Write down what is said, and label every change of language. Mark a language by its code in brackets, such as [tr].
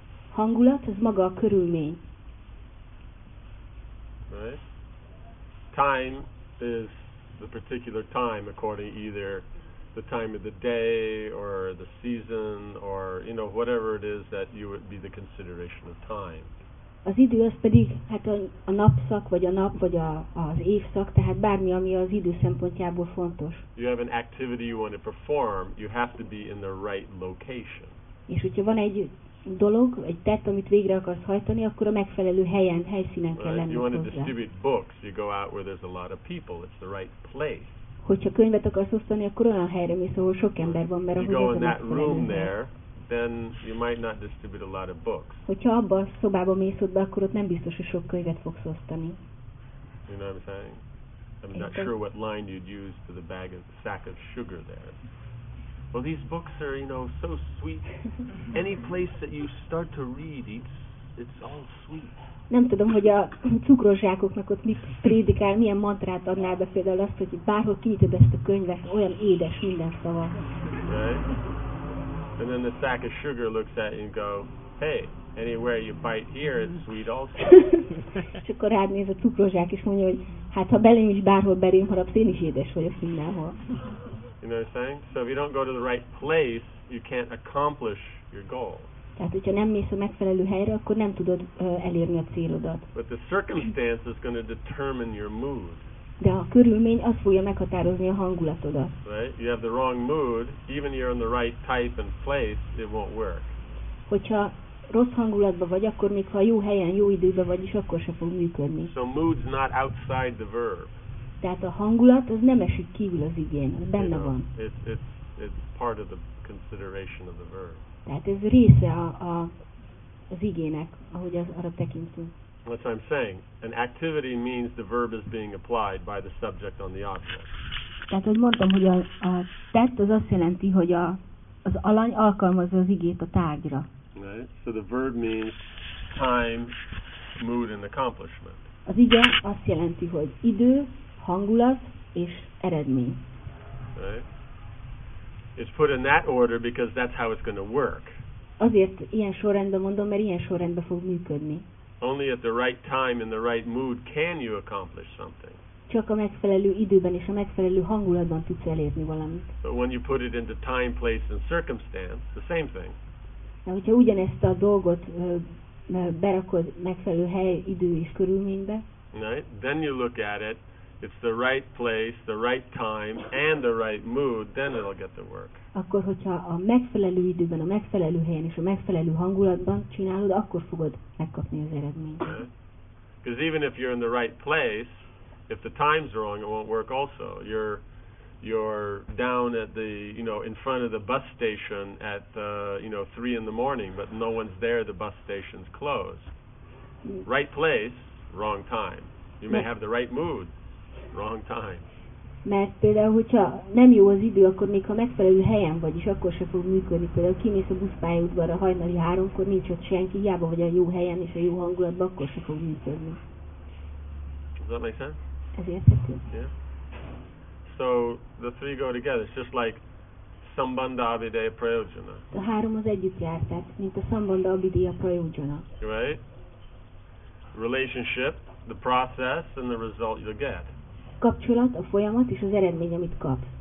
[hu] Hangulat az maga a körülmény. [en] Right? Time is the particular time according either the time of the day or the season or you know whatever it is that you would be the consideration of time. [hu] Az idő az pedig hát a napszak vagy a nap vagy a az évszak, tehát bármi ami az idő szempontjából fontos. [en] You have an activity you want to perform, you have to be in the right location. [hu] És hogyha van egy dolog, egy tett, amit végre akarsz hajtani, akkor a megfelelő helyen, helyszínen kell lenni hozzá. [en] You want to distribute books, you go out where there's a lot of people, it's the right place. [hu] Hogyha könyvet akarsz osztani, akkor olyan helyre mész, ahol sok ember van, mert ahogy ez a megfelelő hely. [en] You go in that room there, then you might not distribute a lot of books. [hu] Hogyha abba a szobába mész ott be, akkor ott nem biztos, hogy sok könyvet fogsz osztani. [en] You know what I'm saying? I'm not sure what line you'd use for the bag of sack of sugar there. Well, these books are, you know, so sweet. Any place that you start to read, it's all sweet. [hu] Nem tudom, hogy a cukrozsákoknak ott mit prédikál, milyen mantrát adnál be például azt, hogy bárhol kinyitod ezt a könyvet, olyan édes minden szava. [en] Right? And then the sack of sugar looks at you and go, hey, anywhere you bite here, it's sweet also. [hu] És akkor rád néz a cukrozsák, és mondja, hogy hát ha belém is bárhol belém harapsz, én is édes vagyok mindenhol. [en] You know what I'm saying? So if you don't go to the right place, you can't accomplish your goal. [hu] Tehát, hogyha nem mész a megfelelő helyre, akkor nem tudod elérni a célodat. [en] But the circumstance is going to determine your mood. [hu] De a körülmény az fogja meghatározni a hangulatodat. [en] Right? You have the wrong mood, even you're in the right type and place, it won't work. [hu] Hogyha rossz hangulatban vagy, akkor még ha jó helyen, jó időben vagy is, akkor sem fog működni. [en] So mood's not outside the verb. [hu] Tehát a hangulat az nem esik kívül az igén, az benne van. [en] It's part of the consideration of the verb. [hu] Tehát ez része az igének, ahogy az arra tekintünk. [en] What I'm saying, an activity means the verb is being applied by the subject on the object. [hu] Tehát azt mondtam, hogy a tett az azt jelenti, hogy az alany alkalmazza az igét a tárgyra. [en] Right? So the verb means time, mood and accomplishment. [hu] Az ige azt jelenti, hogy idő, hangulat és eredmény. [en] Right. It's put in that order because that's how it's going to work. [hu] Azért ilyen sorrendben mondom, mert ilyen sorrendben fog működni. [en] Only at the right time in the right mood can you accomplish something. [hu] Csak a megfelelő időben és a megfelelő hangulatban tudsz elérni valamit. [en] But when you put it into time, place and circumstance, the same thing. [hu] Na, hogyha ugyanezt a dolgot berakod megfelelő hely, idő és körülménybe. [en] Right. Then you look at it. It's the right place, the right time, and the right mood, then it'll get to work. [hu] Akkor, hogyha a megfelelő időben, a megfelelő helyen és a megfelelő hangulatban csinálod, akkor fogod megkapni az eredményt. [en] Because even if you're in the right place, if the time's wrong, it won't work also. You're down at the, you know, in front of the bus station at, you know, 3 in the morning, but no one's there, the bus station's closed. Right place, wrong time. You may have the right mood. Wrong time. [hu] Mert például, hogyha nem jó az idő, akkor még ha megfelelő helyen vagy, és akkor se fog működni. Például kimész a buszpályaudvarra hajnali 3-kor, nincs ott senki, hiába vagy a jó helyen és a jó hangulatban, akkor se fog működni. [en] Does that make sense? [hu] Ez érthető. [en] Yeah. So, the three go together. It's just like Sambandha Abhideya Prayojana. [hu] A három az együtt jár, tehát mint a Sambandha Abhideya Prayojana. [en] Right? Relationship, the process and the result you'll get. [hu] Kapcsolat, a folyamat és az eredmény, amit kap.